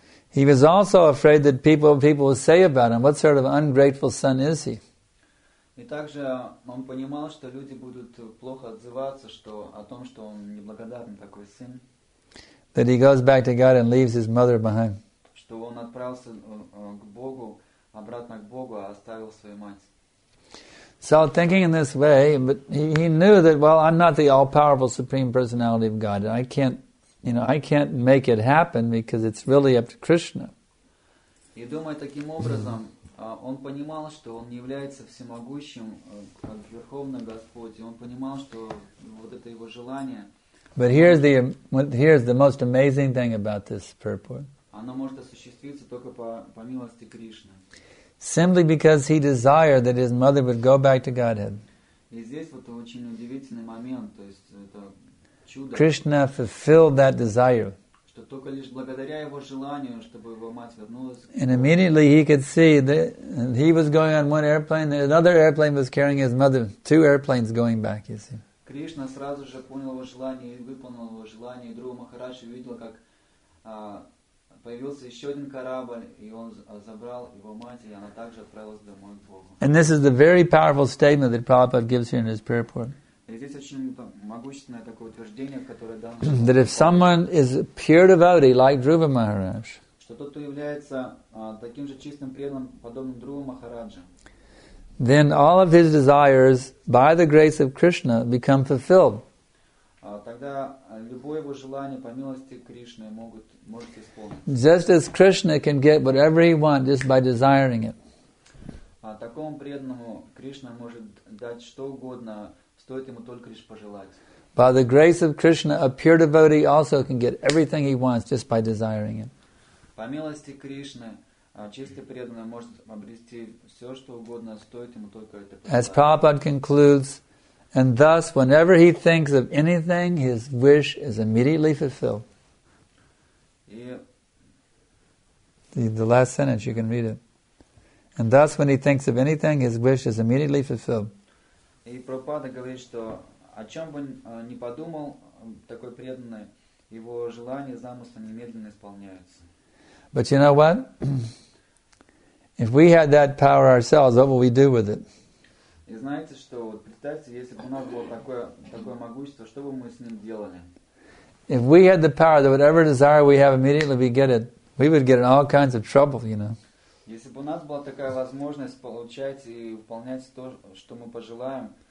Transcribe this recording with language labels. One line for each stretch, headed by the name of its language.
English: He was also afraid that people would say about him, what sort of ungrateful son is he?
Russian: И также он понимал, что люди будут плохо отзываться, что о том, что он неблагодарный такой сын.
English: That he goes back to God and leaves his mother behind.
Russian: Что он отправился к Богу, обратно к Богу, а оставил свою мать.
English: So thinking in this way, but he knew that, well, I'm not the all-powerful Supreme Personality of God. I can't make it happen because it's really up to Krishna.
Russian: И думая таким образом, он понимал, что он не является всемогущим, как Верховный Господь. Он понимал, что вот это его желание.
English: But here's the most amazing thing about this purport.
Russian: Оно может осуществиться только по милости Кришны.
English: Simply because he desired that his mother would go back to Godhead.
Russian: И здесь вот очень удивительный момент, то есть это чудо.
English: Krishna fulfilled that desire.
Russian: Что только лишь благодаря его желанию, чтобы его мать вернулась.
English: And immediately he could see that he was going on one airplane, and another airplane was carrying his mother. Two airplanes going back, you see.
Russian: Кришна сразу же понял его желание и выполнил его желание. И Друга Махараджа увидел, как появился еще один корабль, и он забрал его мать, и она также отправилась домой к Богу.
English: And this is the very powerful statement that Prabhupada gives here in his purport.
Russian: И здесь очень могущественное такое утверждение, которое дано.
English: That if someone is a pure devotee like Dhruva Maharaj,
Russian: что тот, кто является таким же чистым преданным, подобным Друва Махараджа,
English: then all of his desires by the grace of Krishna become fulfilled.
Russian: Тогда любое его желание по милости Кришны может исполниться.
English: Just as Krishna can get whatever he wants just by desiring it.
Russian: Такому преданному Кришна может дать что угодно, стоит ему только лишь пожелать.
English: By the grace of Krishna, a pure devotee also can get everything he wants just by desiring it.
Russian: По милости Кришны, чистый преданный может обрести все, что угодно, стоит ему только это пожелать.
English: As Prabhupada concludes, and thus, whenever he thinks of anything, his wish is immediately fulfilled. The last sentence, you can read it. And thus, when he thinks of anything, his wish is immediately fulfilled.
Russian: И Прабхупада говорит, что о чем бы ни подумал такой преданный, его желания, замыслы немедленно исполняются.
English: But you know what? If we had that power ourselves, what would we do with it?
Russian: И знаете, что вот представьте, если бы у нас было такое могущество, что бы мы с ним делали?
English: If we had the power that whatever desire we have immediately we get it, we would get in all kinds of trouble, you know.
Russian: Если бы у нас была такая возможность получать и выполнять то, что мы пожелаем,